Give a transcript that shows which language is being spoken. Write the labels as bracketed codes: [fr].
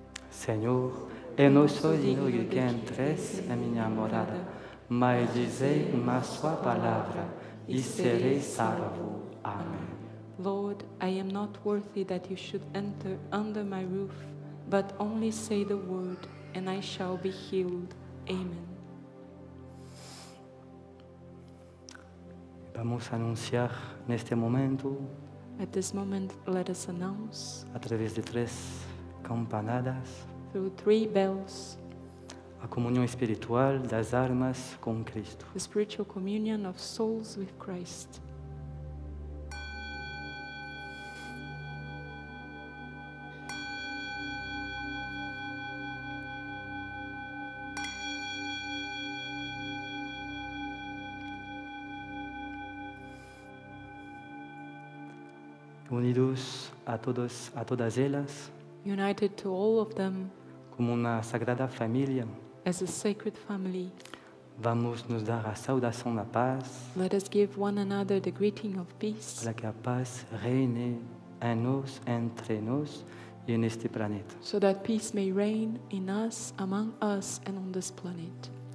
[pt] Senhor, eu não sou digno de que entres na minha morada. Mas dizei uma sua palavra e serei salvo. Amém. [en] Lord, I am not worthy that you should enter under my roof, but only say the word and I shall be healed. Amen. [pt] Vamos anunciar neste momento. [en] At this moment, let us announce. [pt] Através de três campanadas. [en] Through three bells. [pt] A comunhão espiritual das almas com Cristo. [en] The spiritual communion of souls with Christ. [pt] Unidos a todos, a todas elas. [en] United to all of them. [pt] Como uma sagrada família. [en] As a sacred family, [pt] vamos nos dar a saudação da paz. [en] Let us give one another the greeting of peace. [pt] Para que a paz reine em nós, entre nós e neste planeta. [en] So that peace may reign in us, among us and on this planet.